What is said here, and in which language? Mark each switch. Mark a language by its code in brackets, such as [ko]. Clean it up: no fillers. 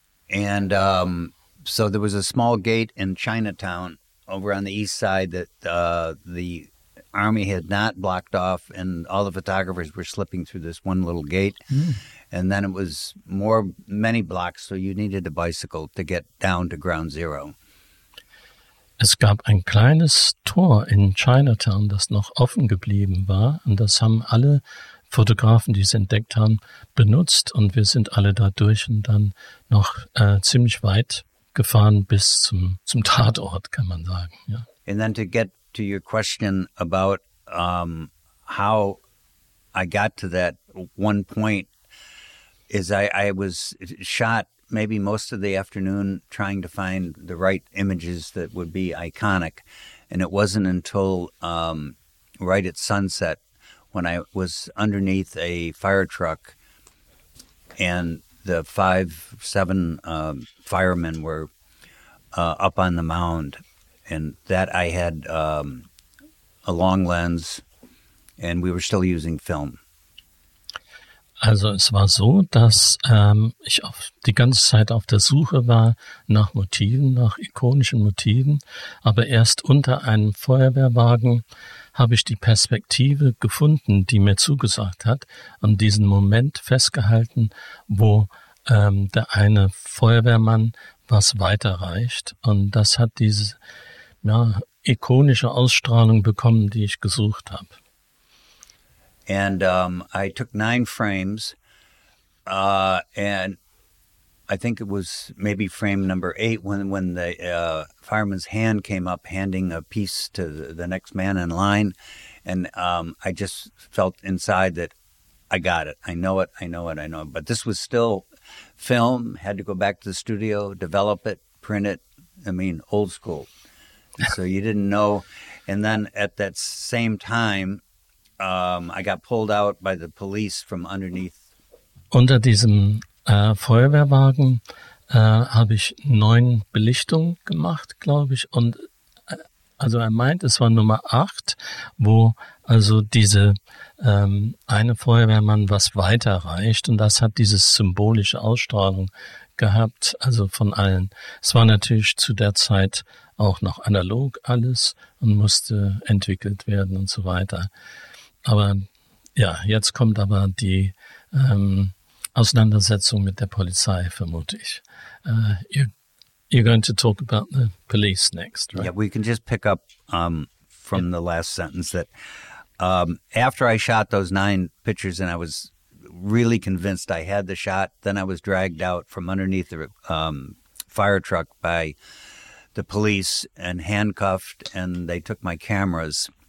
[en] And so there was a small gate in Chinatown over on the east side that the Army had not blocked off, and all the photographers were slipping through this one little gate. Mm. And then it was many blocks, so you needed a bicycle to get down to Ground Zero. [de] Es gab ein kleines Tor in Chinatown, das noch offen geblieben war, und das haben alle Fotografen, die es entdeckt haben, benutzt, und wir sind alle da durch und dann noch ziemlich weit gefahren bis zum Tatort, kann man sagen. Ja. [en] And then to get to your question about how I got to that one point is I was shot maybe most of the afternoon trying to find the right images that would be iconic. And it wasn't until right at sunset when I was underneath a fire truck and the 5-7 firemen were up on the mound. And that I had a long lens, and we were still using film. [de] Also es war so, dass ich die ganze Zeit auf der Suche war nach Motiven, nach ikonischen Motiven, aber erst unter einem Feuerwehrwagen habe ich die Perspektive gefunden, die mir zugesagt hat, und diesen Moment festgehalten, wo der eine Feuerwehrmann was weiterreicht. Und das hat diese ikonische Ausstrahlung bekommen, die ich gesucht habe. [en] And I took 9 frames, and I think it was maybe frame number 8 when the fireman's hand came up handing a piece to the next man in line, and I just felt inside that I got it. I know it. But this was still film, had to go back to the studio, develop it, print it, old school. So you didn't know. And then at that same time, I got pulled out by the police from underneath. [de] Unter diesem Feuerwehrwagen habe ich 9 Belichtungen gemacht, glaube ich. Und also er meint, es war Nummer 8, wo also diese eine Feuerwehrmann was weiterreicht. Und das hat diese symbolische Ausstrahlung gehabt, also von allen. Es war natürlich zu der Zeit auch noch analog alles und musste entwickelt werden und so weiter. Aber ja, jetzt kommt aber die Auseinandersetzung mit der Polizei, vermute ich. [en] You're going to talk about the police next, right? Yeah, we can just pick up from the last sentence that after I shot those 9 pictures and I was really convinced I had the shot, then I was dragged out from underneath the fire truck by the police and handcuffed, and they took my cameras.